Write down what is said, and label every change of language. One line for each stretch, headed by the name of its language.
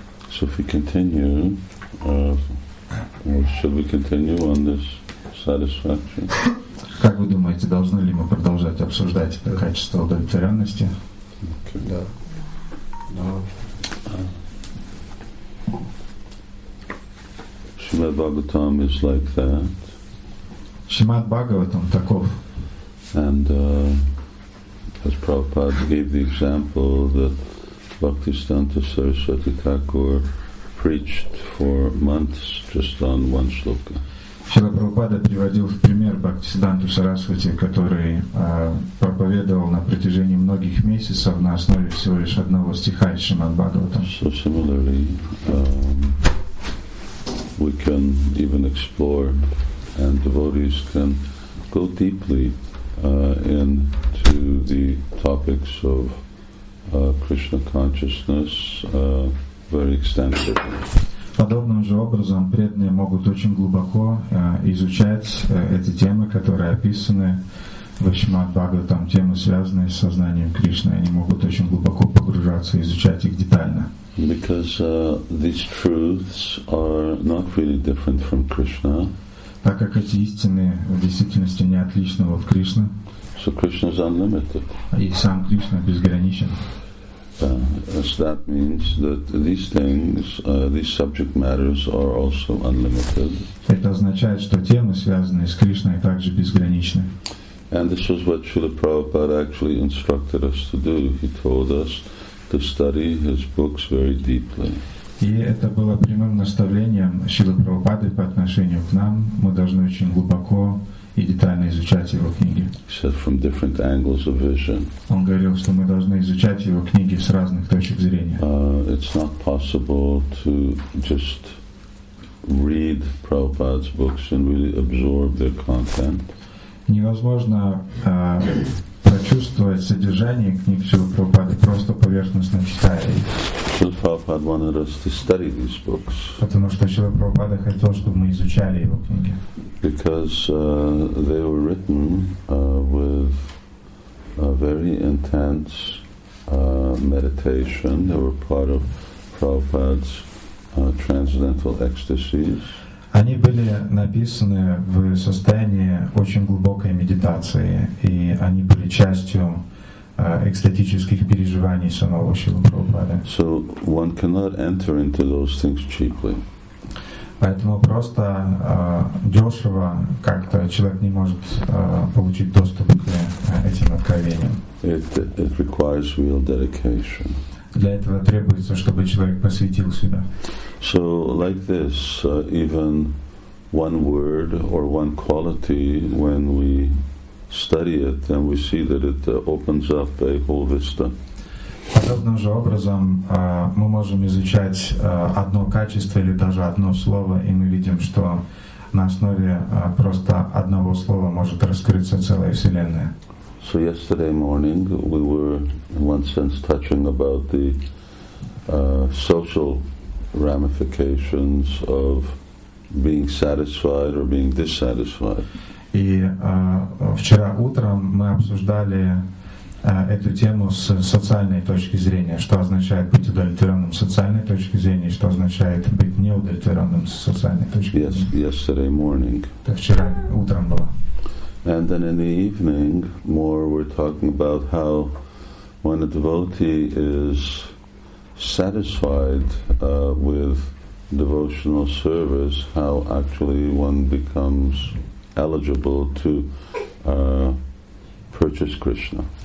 English: So if we continue, should we continue on this satisfaction?
Russian: Как вы думаете, должны ли мы продолжать обсуждать качество удовлетворенности?
English: Shrimad Bhagavatam is like that.
Russian: Shrimad Bhagavatam таков.
English: And as Prabhupada gave the example that Bhaktisiddhanta Saraswati Thakur preached for months just on one sloka.
Russian: Шрила Прабхупада приводил в пример Бхактисиддханту Сарасвати, который проповедовал на протяжении многих месяцев на основе всего лишь одного стиха из Шримад Бхагаватам.
English: So similarly, we can even explore, and devotees can go deeply into the topics of Krishna consciousness very extensively.
Russian: Подобным же образом преданные могут очень глубоко изучать эти темы, которые описаны в Шримад Бхагаватам, темы, связанные с сознанием Кришны. Они могут очень глубоко погружаться и изучать их детально.
English: Because these truths are not really different from Krishna.
Russian: Так как эти истины в действительности не отличны от Кришны.
English: So Krishna is unlimited.
Russian: И сам Кришна безграничен.
English: So that means that these things, these subject matters are also unlimited.
Russian: Это означает, что темы, связанные с Кришной, также безграничны.
English: And this is what Srila Prabhupada actually instructed us to do. He told us to study his books very deeply.
Russian: И это было прямым наставлением Шрилы Прабхупады по отношению к нам. Мы должны очень глубоко и детально изучать его книги.
English: So from different angles of vision.
Russian: Он говорил, что мы должны изучать его книги с разных точек зрения.
English: It's not possible to just read Prabhupada's books and really absorb their content.
Russian: Невозможно прочувствовать содержание книг Шрилы Прабхупады, просто поверхностно читая их.
English: Шрила Прабхупада wanted us to study these books.
Russian: Потому что Шрила Прабхупада хотел, чтобы мы изучали его книги.
English: Because they were written with a very intense meditation. They were part of Prabhupada's transcendental ecstasies.
Russian: Они были написаны в состоянии очень глубокой медитации, и они были частью экстатических переживаний самого Шрилы Прабхупады.
English: So one cannot enter into those things cheaply.
Russian: Поэтому просто дешево как-то человек не может получить доступ к этим откровениям.
English: It requires real dedication.
Russian: Для этого требуется, чтобы человек посвятил себя.
English: So, like this, even one word or one quality, when we study it, then we see that it opens up a whole vista.
Russian: Подобным же образом мы можем изучать одно качество или даже одно слово, и мы видим, что на основе просто одного слова может раскрыться целая вселенная.
English: So yesterday morning we were, in one sense, touching about the social ramifications of being satisfied or being dissatisfied.
Russian: И вчера утром мы обсуждали эту тему с социальной точки зрения, что означает быть удовлетворенным с социальной точки зрения, что означает быть неудовлетворенным с социальной точки зрения.
English: Yesterday morning.
Russian: Так вчера утром было.
English: And then in the evening, more we're talking about how when a devotee is satisfied with devotional service, how actually one becomes eligible to purchase Krishna.